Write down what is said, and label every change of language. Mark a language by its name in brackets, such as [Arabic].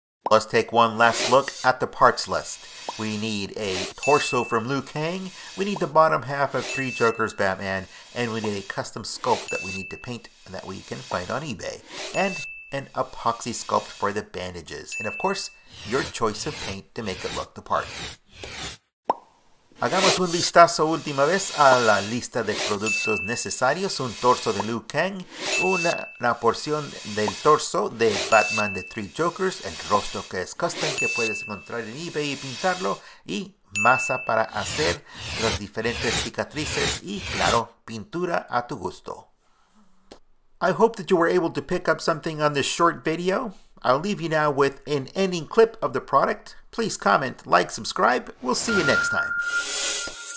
[English] Let's take one last look at the parts list. We need a torso from Liu Kang, we need the bottom half of Three Jokers Batman, and we need a custom sculpt that we need to paint and that we can find on eBay, and an epoxy sculpt for the bandages, and of course, your choice of paint to make it look the part. [Spanish] Hagamos un vistazo última vez a la lista de productos necesarios. Un torso de Liu Kang, una porción del torso de Batman de Three Jokers, el rostro que es custom que puedes encontrar en eBay y pintarlo, y masa para hacer las diferentes cicatrices y, claro, pintura a tu gusto. [English] I hope that you were able to pick up something on this short video. I'll leave you now with an ending clip of the product. Please comment, like, subscribe. We'll see you next time.